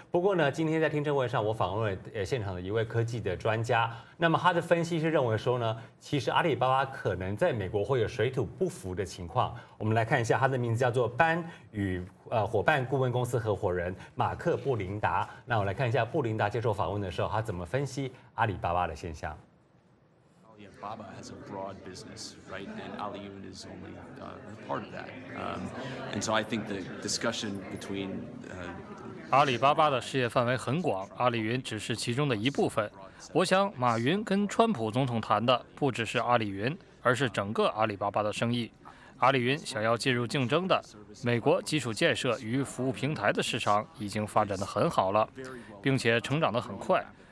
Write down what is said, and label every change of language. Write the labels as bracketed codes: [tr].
[zh] 不过呢，今天在听证会上，我访问了现场的一位科技的专家，那么他的分析是认为说呢，其实阿里巴巴可能在美国会有水土不服的情况。我们来看一下，他的名字叫做班与伙伴顾问公司合伙人马克布林达。那我来看一下布林达接受访问的时候，他怎么分析阿里巴巴的现象。 [en] Alibaba has a broad business, right? And Aliyun is only part of that. And so I think the discussion between [zh] 阿里巴巴的事业范围很广，阿里云只是其中的一部分。我想，马云跟川普总统谈的不只是阿里云，而是整个阿里巴巴的生意。阿里云想要进入竞争的美国基础建设与服务平台的市场已经发展得很好了，并且成长得很快。